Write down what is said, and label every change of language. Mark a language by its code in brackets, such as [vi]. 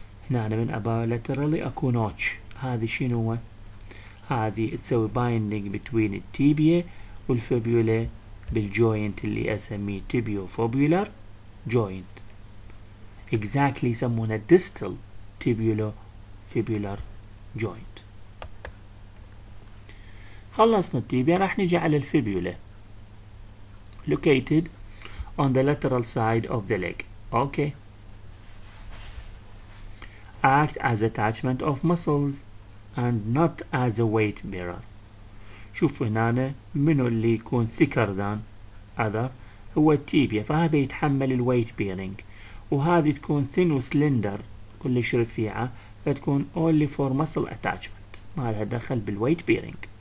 [ar] هنا أنا من أباو laterally أكو notch. هذه شنو هو؟ هذه تسوي binding between التيبيا والفيبيولا بالجوينت اللي اسميه tibiofibular joint. [en] Exactly يسمونه distal tibiofibular joint. [ar] خلصنا التيبيا راح نجي على الفيبيولا. [en] Located on the lateral side of the leg. Okay. Act as attachment of muscles and not as a weight bearer. [ar] شوفوا هنا منو اللي يكون thicker than other هو التيبيا فهذا يتحمل الويت بيرنج وهذه تكون thin وسلندر كلش رفيعة فتكون only for muscle attachment ما لها دخل بالويت بيرنج.